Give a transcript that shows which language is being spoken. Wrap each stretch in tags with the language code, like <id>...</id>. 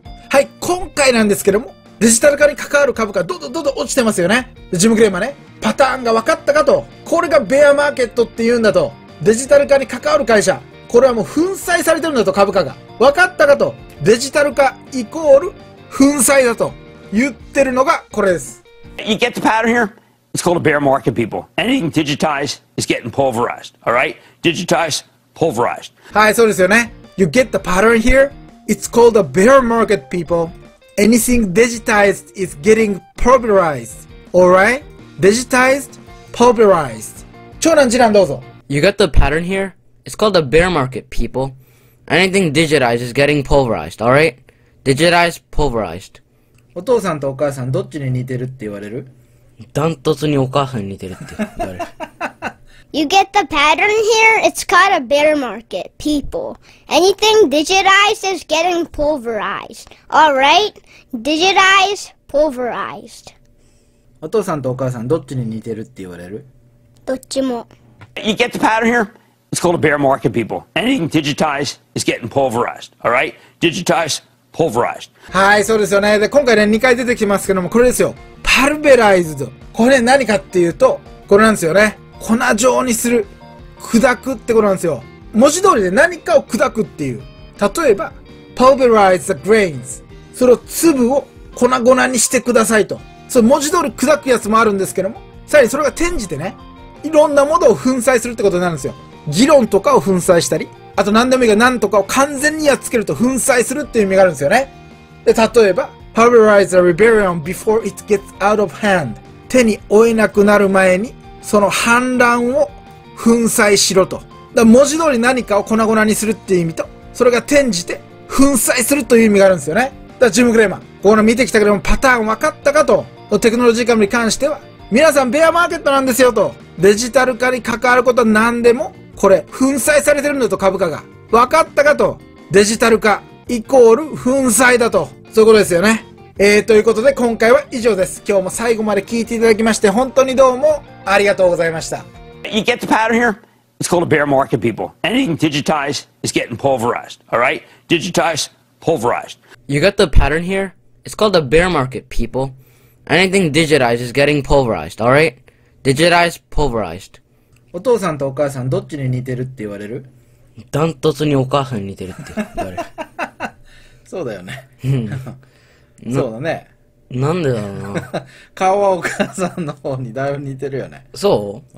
<ja>はい、今回なんですけども、デジタル化に関わる株価、どんどん落ちてますよね。ジムクレーマーね、パターンが分かったかと。これがベアマーケットって言うんだと。デジタル化に関わる会社、これはもう粉砕されてるんだと、株価が。分かったかと、デジタル化イコール粉砕だと言ってるのがこれです。</ja> <en>You get the pattern here? It's called a bear market, people. Anything digitized is getting pulverized, alright? Digitized, pulverized.</en> <ja>はい、そうですよね。</ja> <en>You get the pattern here? It's called a bear market, people. Anything digitized is getting pulverized, alright? Digitized, pulverized.</en> <ja>長男、次男、どうぞ。</ja> <en>You got the pattern here? It's called a bear market, people. Anything digitized is getting pulverized, alright? Digitized, pulverized.</en> <ja>お父さんとお母さん、どっちに似てるって言われる？ダントツにお母さんに似てるって言われる。</ja> <en>You get the pattern here? It's called a bear market, people. Anything digitized is getting pulverized, alright? Digitized, pulverized.</en> <ja>お父さんとお母さん、どっちに似てるって言われる？どっちも。</ja> <en>You get the pattern here? It's called a bear market, people. Anything digitized is getting pulverized. All right? Digitized, pulverized.</en> <ja>はい、そうですよね。で、今回ね、2回出てきますけども、これですよ。</ja> <en>Pulverized。</en> <ja>これ、ね、何かっていうと、これなんですよね。粉状にする。砕くってことなんですよ。文字通りで何かを砕くっていう。例えば、</ja> <en>Pulverize the grains。</en> <ja>その粒を粉々にしてくださいと。その文字通り砕くやつもあるんですけども、さらにそれが転じてね。いろんなものを粉砕するってことになるんですよ。議論とかを粉砕したり、あと何でもいいが何とかを完全にやっつけると粉砕するっていう意味があるんですよね。で、例えば、</ja> <en>Pulverize the rebellion before it gets out of hand。</en> <ja>手に負えなくなる前に、その反乱を粉砕しろと。だから文字通り何かを粉々にするっていう意味と、それが転じて粉砕するという意味があるんですよね。だからジム・グレーマン、ここの見てきたけども、パターン分かったかと。テクノロジー株に関しては、皆さん、ベアマーケットなんですよと。デジタル化に関わることは何でも、これ、粉砕されてるんだと、株価が。分かったかと。デジタル化、イコール、粉砕だと。そういうことですよね。ということで今回は以上です。今日も最後まで聞いていただきまして本当にどうもありがとうございました。</ja> <en>You get the pattern here? It's called a bear market, people. Anything digitized is getting pulverized, alright? Digitized, pulverized. You get the pattern here? It's called a bear market, people. Anything digitized is getting pulverized, alright? Digitized, pulverized.</en> <ja>お父さんとお母さんどっちに似てるって言われる？ダントツにお母さんに似てるって言われる。そうだよね。そうだね。なんでだろうな。顔はお母さんの方にだいぶ似てるよね。そう？</ja>